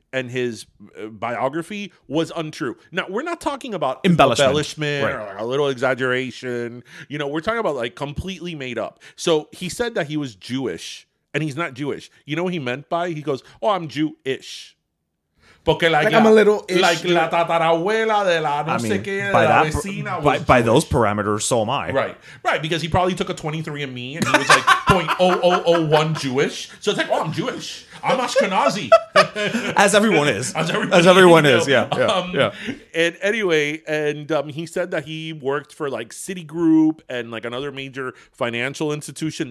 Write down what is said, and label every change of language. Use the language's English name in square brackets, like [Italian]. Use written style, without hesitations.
[English] And his biography was untrue. Now, we're not talking about embellishment right. or a little exaggeration. You know, we're talking about, like, completely made up. So he said that he was Jewish, and he's not Jewish. You know what he meant by? He goes, oh, I'm Jew-ish. [Spanish] Porque [English] like I'm a little ish. Like [Spanish] la tatarabuela de la no sé qué, de la vecina. [English] By those parameters, so am I. Right. Right, because he probably took a 23andMe, and he was like 0.0001 Jewish. So it's like, oh, I'm Jewish. I'm Ashkenazi. As everyone is. Anyway, he said that he worked for, like, Citigroup and, like, another major financial institution.